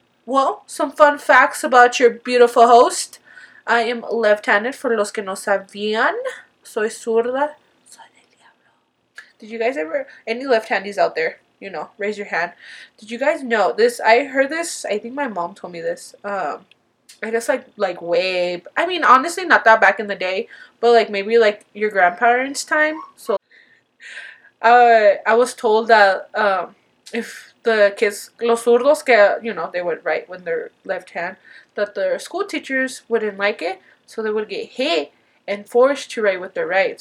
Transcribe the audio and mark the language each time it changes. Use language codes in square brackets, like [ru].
[en] Well, some fun facts about your beautiful host. I am left-handed, for [es] los que no sabían. Soy zurda. Soy del diablo. [en] Did you guys ever, any left-handies out there, you know, raise your hand. Did you guys know this? I heard this, I think my mom told me this. I guess like way, I mean, honestly, not that back in the day. But like maybe like your grandparents' time. So. I was told that if the kids, [es] los zurdos, que, [en] you know, they would write with their left hand, that their school teachers wouldn't like it, so they would get hit and forced to write with their right.